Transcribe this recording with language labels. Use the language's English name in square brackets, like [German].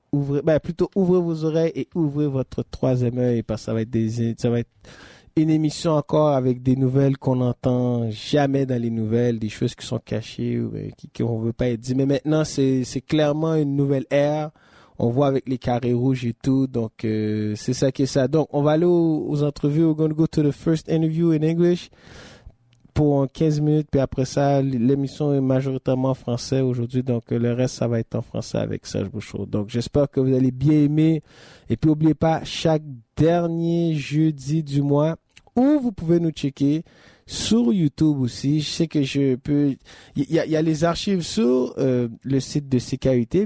[French] Ouvrez vos oreilles et ouvrez votre troisième œil, parce que ça va être une émission encore avec des nouvelles qu'on n'entend jamais dans les nouvelles, des choses qui sont cachées ou qu'on veut pas être dit. Mais maintenant, c'est clairement une nouvelle ère. On voit avec les carrés rouges et tout. Donc, c'est ça qui est ça. Donc, on va aller aux entrevues. [English] We're going to go to the first interview in English [French] pour 15 minutes. Puis après ça, l'émission est majoritairement en français aujourd'hui. Donc, le reste, ça va être en français avec Serge Bouchot. Donc, j'espère que vous allez bien aimer. Et puis, n'oubliez pas, chaque dernier jeudi du mois, où vous pouvez nous checker sur YouTube aussi. Je sais que je peux... Il y a les archives sur le site de CKUT.